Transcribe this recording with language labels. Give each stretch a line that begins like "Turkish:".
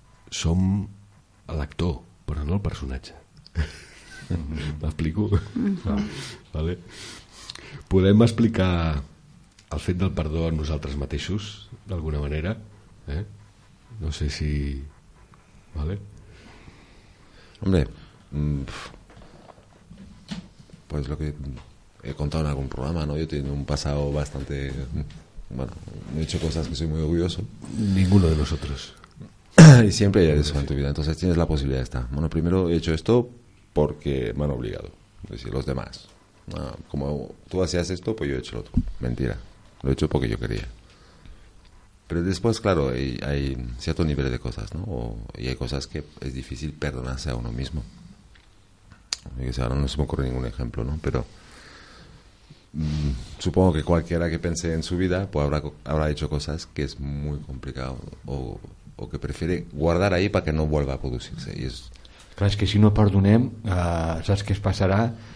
Catalan: Som l'actor, però no el personatge. M'explico? Vale. Podem explicar el fet del perdó a nosaltres mateixos d'alguna manera, eh? No sé si... Vale.
Spanish: Hombre, pues lo que he contado en algún programa, ¿no? Yo tengo un pasado bastante... Bueno, he hecho cosas que soy muy orgulloso. Ninguno de nosotros. Y siempre hay eso en tu vida. Entonces tienes la posibilidad esta. Bueno, primero he hecho esto porque me han obligado. Es decir, los demás. No, como tú hacías esto, pues yo he hecho lo otro. Mentira. Lo he hecho porque yo quería. Pero después, claro, hay cierto nivel de cosas, ¿no? Y hay cosas que es difícil perdonarse a uno mismo. Y, o sea, ahora no se me ocurre ningún ejemplo, ¿no? Pero supongo que cualquiera que piense en su vida, pues habrá hecho cosas que es muy complicado o que prefiere guardar ahí para que no vuelva a producirse. Y es...
Catalan: Clar, és que si no perdonem, saps què es passarà?